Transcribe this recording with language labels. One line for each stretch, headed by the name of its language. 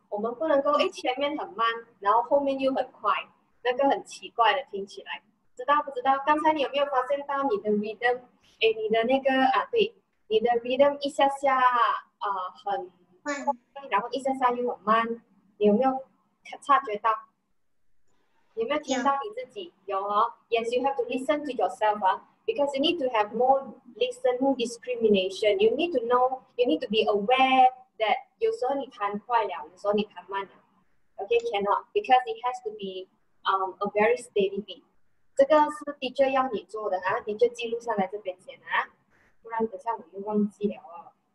Chinese: 我们不能够前面很慢，然后后面又很快，那个很奇怪的听起来。知道不知道？刚才你有没有发现到你的 rhythm？ 哎，你的那个啊，对，你的 rhythm 一下下很快，然后一下下又很慢，你有没有察觉到？你有没有听到你自己？Yeah. 有哦。
English: Yes, you have to listen to yourself.、啊Because you need to have more listening discrimination. You need to know, you need to be aware that
Chinese: 有时候你弹快了，有时候你弹慢了。
English: Okay, cannot. Because it has to be a very steady beat.
Chinese: 这个是 teacher 要你做的啊，你就记录下来这边先啊，不然等下我又忘记了哦。